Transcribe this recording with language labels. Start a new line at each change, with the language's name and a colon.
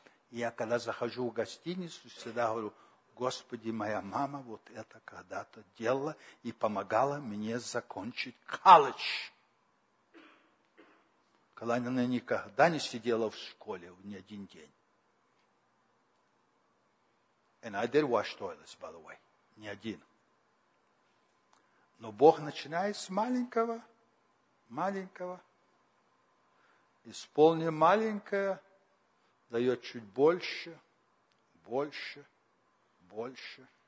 Russian: Я когда захожу в гостиницу, всегда говорю, Господи, моя мама вот это когда-то делала и помогала мне закончить колледж. Когда она никогда не сидела в школе ни один день.
English: And I did wash toilets, by the way.
Russian: Не один. Но Бог начинает с маленького, маленького. Исполни маленькое, дает чуть больше, больше, больше.